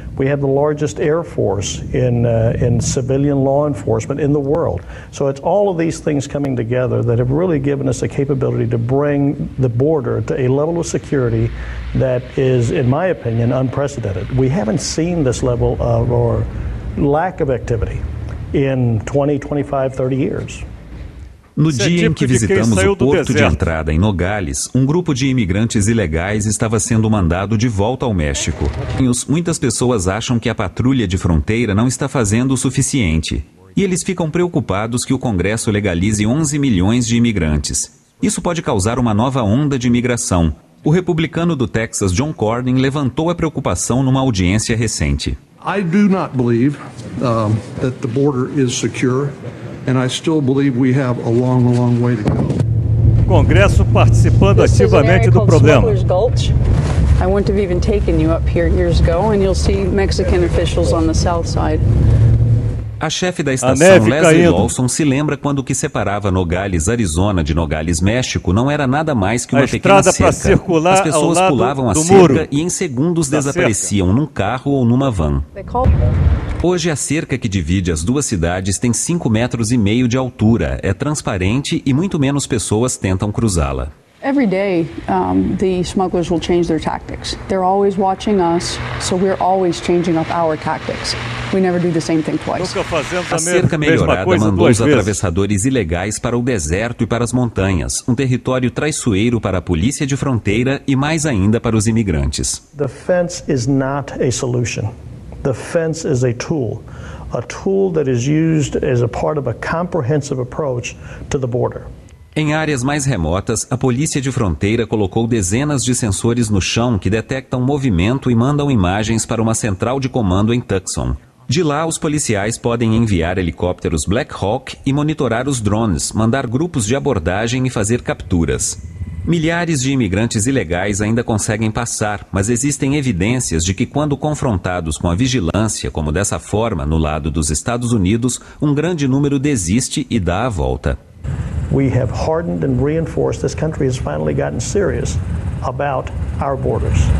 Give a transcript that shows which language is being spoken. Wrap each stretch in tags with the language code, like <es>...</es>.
<en>We have the largest air force in civilian law enforcement in the world. So it's all of these things coming together that have really given us the capability to bring the border to a level of security that is, in my opinion, unprecedented. We haven't seen this level of or lack of activity in 20, 25, 30 years.</en> <pt>No dia em que visitamos o porto de entrada em Nogales, um grupo de imigrantes ilegais estava sendo mandado de volta ao México. Muitas pessoas acham que a patrulha de fronteira não está fazendo o suficiente. E eles ficam preocupados que o Congresso legalize 11 milhões de imigrantes. Isso pode causar uma nova onda de imigração. O republicano do Texas, John Cornyn, levantou a preocupação numa audiência recente.</pt> <en>I do not believe that the border is secure, and I still believe we have a long, long way to go.</en> <pt>O Congresso participando ativamente do problema.</pt> <en>I wouldn't have even taken you up here years ago, and you'll see Mexican officials on the south side.</en> <pt>A chefe da estação, Leslie Lawson, se lembra quando o que separava Nogales, Arizona, de Nogales, México, não era nada mais que uma pequena cerca. As pessoas pulavam a cerca e em segundos desapareciam num carro ou numa van. Hoje, a cerca que divide as duas cidades tem 5,5 metros de altura, é transparente e muito menos pessoas tentam cruzá-la.</pt> <en>Every day, the smugglers will change their tactics. They're always watching us, so we're always changing up our tactics. We never do the same thing twice.</en> <pt>A cerca melhorada mandou os atravessadores ilegais para o deserto e para as montanhas, um território traiçoeiro para a polícia de fronteira e mais ainda para os imigrantes.</pt> <en>The fence is not a solution. The fence is a tool. A tool that is used as a part of a comprehensive approach to the border.</en> <pt>Em áreas mais remotas, a polícia de fronteira colocou dezenas de sensores no chão que detectam movimento e mandam imagens para uma central de comando em Tucson. De lá, os policiais podem enviar helicópteros Black Hawk e monitorar os drones, mandar grupos de abordagem e fazer capturas. Milhares de imigrantes ilegais ainda conseguem passar, mas existem evidências de que quando confrontados com a vigilância, como dessa forma, no lado dos Estados Unidos, um grande número desiste e dá a volta.</pt> <en>We have hardened and reinforced. This country has finally gotten serious about our borders.</en>